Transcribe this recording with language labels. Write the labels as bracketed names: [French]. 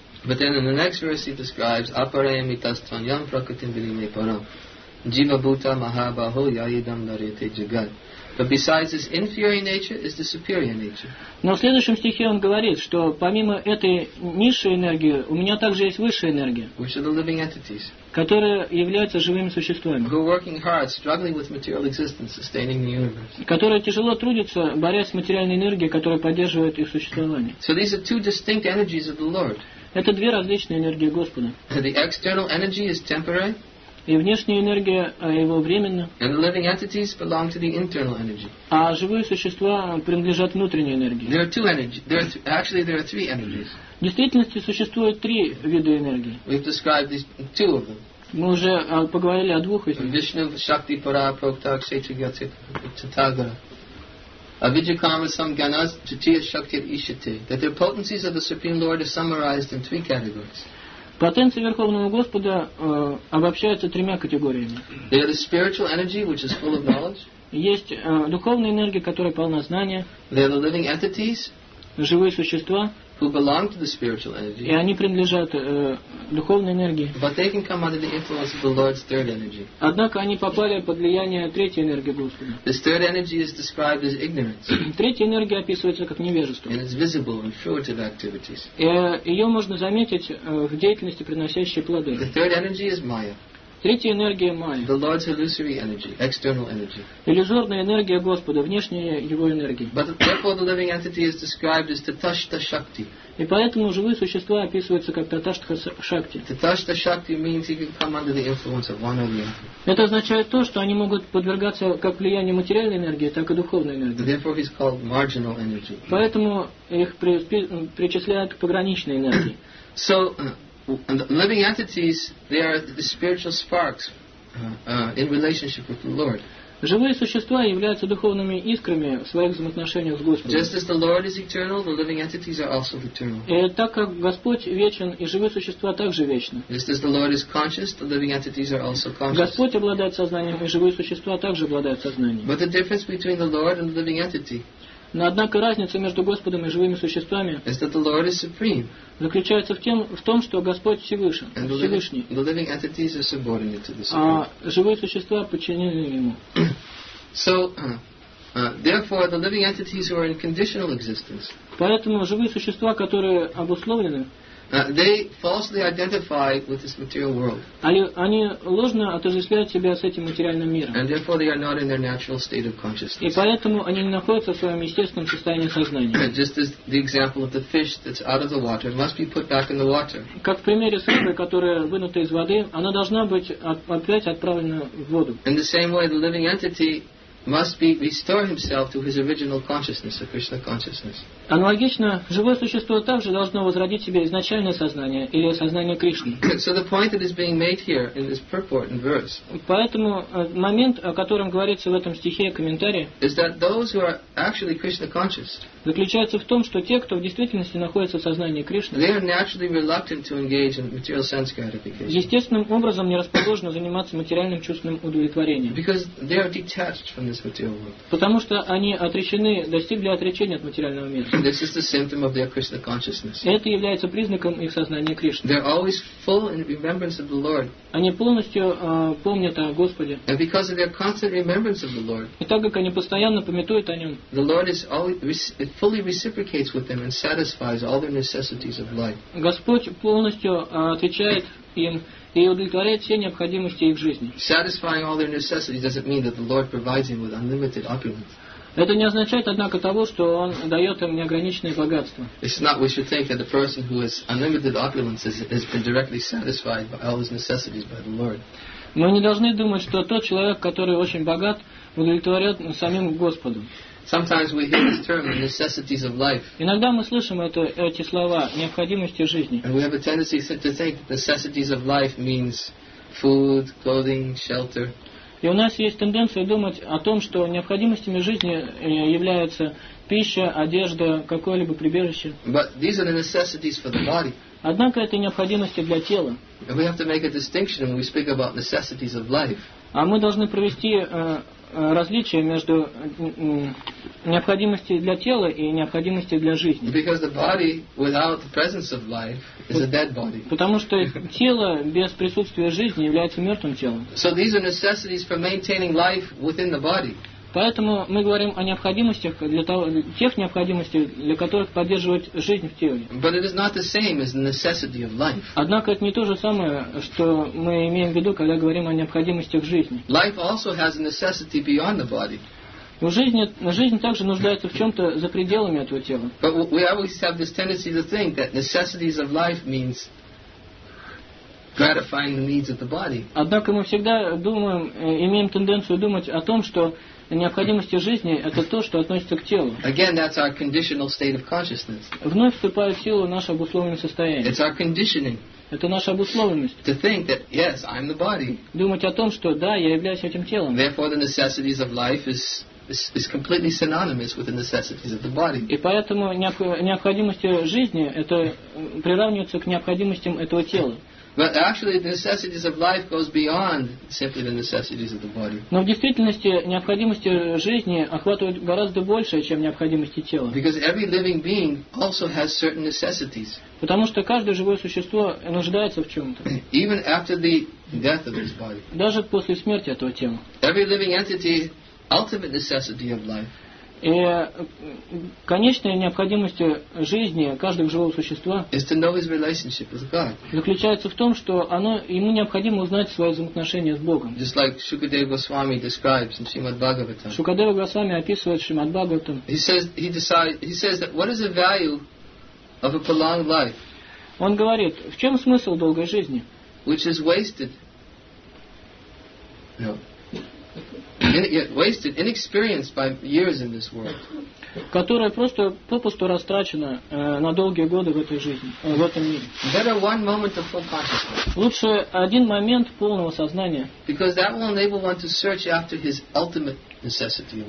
[English] But then in the next verse he describes [Sanskrit] апареми тастваньям пракатим билиме парам джива бута махабахо яидам дарете джигад. [English] But besides this inferior nature is the superior nature. [Russian] Но в следующем стихе он говорит, что помимо этой низшей энергии, у меня также есть высшая энергия. [English] Which are the living entities. [Russian] Которые являются живыми существами. [English] Who are working hard, struggling with material existence, sustaining the universe. [Russian] Которые тяжело трудятся, борясь с материальной энергией, которая поддерживает их существование. [English] So these are two distinct energies of the Lord. [Russian] Это две различные энергии Господа. [English] The external energy is temporary. [Russian] И внешняя энергия его временна. [English] And the living entities belong to the internal energy. [Russian] А живые существа принадлежат внутренней энергии. [English] There are two energies. There are three energies. [Russian] В действительности существует три вида энергии. [English] We've described these two of them. [Russian] Мы уже поговорили о двух из них. [Sanskrit] Вишну, Шакти, Пара, Прокта, Кшетри, Гати, Читагара. Avijja Kama Sam Ganas, Jatiya Shakti, Ishati. [English] That the potencies of the Supreme Lord are summarized in three categories. [Russian] Потенции Верховного Господа обобщаются тремя категориями. [English] They are the spiritual energy, which is full of knowledge. [Russian] Есть духовная энергия, которая полна знания. [English] They are the living entities. [Russian] Живые существа. [English] Who belong to the spiritual energy. [Russian] И они принадлежат духовной энергии. [English] But they can come under the influence of the Lord's third energy. [Russian] Однако они попали под влияние третьей энергии Господа. [English] This third energy is described as ignorance. [Russian] Третья энергия описывается как невежество. [English] And it's visible in fruitive activities. [Russian] Ее можно заметить в деятельности, приносящей плоды. [English] The third energy is Maya. [Russian] Третья энергия майя. [English] The Lord's illusory energy, external energy. [Russian] Иллюзорная энергия Господа, внешняя его энергия. [English] But therefore the living entity is described as Tathashta Shakti. [Russian] И поэтому живые существа описываются как Tathashta Shakti. [English] Tathashta Shakti means he can come under the influence of one or the other. [Russian] Это означает то, что они могут подвергаться как влиянию материальной энергии, так и духовной энергии. [English] Therefore he's called marginal energy. [Russian] Поэтому их причисляют к пограничной энергии. [English] So and living entities, they are the spiritual sparks in relationship with the Lord. [Russian] Живые существа являются духовными искрами в своих взаимоотношениях с Господом. [English] Just as the Lord is eternal, the living entities are also eternal. [Russian] И так как Господь вечен, и живые существа также вечны. [English] Just as the Lord is conscious, the living entities are also conscious. [Russian] Господь обладает сознанием, и живые существа также обладают сознанием. [English] But the difference between the Lord and the living entity. [Russian] Но однако разница между Господом и живыми существами заключается в том, что Господь Всевышний. А живые существа подчинены Ему. [English] Therefore, the living entities who are in conditional existence. [Russian] Поэтому живые существа, которые обусловлены, [English] they falsely identify with this material world. [Russian] Они ложно отождествляют себя с этим материальным миром. [English] And therefore they are not in their natural state of consciousness. [Russian] И поэтому они не находятся в своем естественном состоянии сознания. [English] Just as the example of the fish that's out of the water must be put back in the water. [Russian] Как в примере с рыбой, которая вынута из воды, она должна быть опять отправлена в воду. [English] In the same way, the living entity must be restore himself to his original consciousness, the Krishna consciousness. [Russian] Аналогично, живое существо также должно возродить себе изначальное сознание или сознание Кришны. [English] So the point that is being made here in this purport and verse. [Russian] Поэтому момент, о котором говорится в этом стихе и комментарии, [English] is that those who are actually Krishna conscious, [Russian] заключается в том, что те, кто в действительности находится в сознании Кришны, [English] they are naturally reluctant to engage in material sense gratification. [Russian] Естественным образом не расположены заниматься материальным чувственным удовлетворением. [English] Because they are detached from this material world. [Russian] Потому что они отречены, достигли отречения от материального мира. [English] This is the symptom of their Krishna consciousness. [Russian] Это является признаком их сознания Кришны. [English] They're always full in remembrance of the Lord. [Russian] Они полностью помнят о Господе. [English] And because of their constant remembrance of the Lord. [Russian] И так как они постоянно памятуют о нем. [English] The Lord is always it fully reciprocates with them and satisfies all their necessities of life. [Russian] Господь полностью отвечает им и удовлетворяет все необходимости их жизни. [English] Satisfying all their necessities doesn't mean that the Lord provides him with unlimited opulence. [Russian] Это не означает, однако, того, что он дает им неограниченное богатство. [English] It's not we should think that the person who has unlimited opulence has been directly satisfied by all his necessities by the Lord. [Russian] Мы не должны думать, что тот человек, который очень богат, удовлетворен самим Господом. [English] Sometimes we hear this term, necessities of life. [Russian] Иногда мы слышим эти слова, необходимости жизни. [English] And we have a tendency to think necessities of life means food, clothing, shelter. [Russian] И у нас есть тенденция думать о том, что необходимостями жизни являются пища, одежда, какое-либо прибежище. [English] But these are the necessities for the body. [Russian] Однако это необходимости для тела. [English] We have to make a distinction when we speak about necessities of life. [Russian] А мы должны провести различие между необходимости для тела и необходимости для жизни. [English] Because the body without the presence of life is a dead body. [Russian] Потому что тело без присутствия жизни является мертвым телом. [English] So these are necessities for maintaining life within the body. [Russian] Поэтому мы говорим о необходимостях тех необходимостей, для которых поддерживать жизнь в теле. [English] But it is not the same as the necessity of life. [Russian] Однако это не то же самое, что мы имеем в виду, когда говорим о необходимостях жизни. [English] Life also has a necessity beyond the body. [Russian] Жизнь также нуждается в чем-то за пределами этого тела. [English] But we always have this tendency to think that necessities of life means gratifying the needs of the body. [Russian] Однако мы всегда думаем, имеем тенденцию думать о том, что необходимости жизни – это то, что относится к телу. [English] Again, that's our conditional state of consciousness. [Russian] Вновь вступает в силу наше обусловленное состояние. [English] It's our conditioning. [Russian] Это наша обусловленность. [English] To think that, yes, I'm the body. [Russian] Думать о том, что да, я являюсь этим телом. [English] Therefore, the necessities of life is completely synonymous with the necessities of the body. [Russian] И поэтому необходимости жизни – это приравнивается к необходимостям этого тела. [English] But actually, the necessities of life goes beyond simply the necessities of the body. [Russian] Но в действительности необходимости жизни охватывают гораздо больше, чем необходимости тела. [English] Because every living being also has certain necessities. [Russian] Потому что каждое живое существо нуждается в чем-то. [English] Even after the death of this body. [Russian] Даже после смерти этого тела. [English] Every living entity, ultimate necessity of life. [Russian] И конечной необходимостью жизни каждого живого существа заключается в том, что оно, ему необходимо узнать свои взаимоотношения с Богом. [English] Just like Shukadeva Goswami describes in Srimad Bhagavatam. [Russian] Shukadeva Goswami описывает Srimad Bhagavatam. [English] He says that what is the value of a prolonged life? [Russian] Он говорит, в чем смысл долгой жизни? [English] Which is wasted. No. Wasted, inexperienced by years in this world. [Russian] Которая просто попусту растрачена на долгие годы в этой жизни, в этом мире. [English] Better one moment of full consciousness. [Russian] Лучше один момент полного сознания. [English] Because that will enable one to search after his ultimate necessity.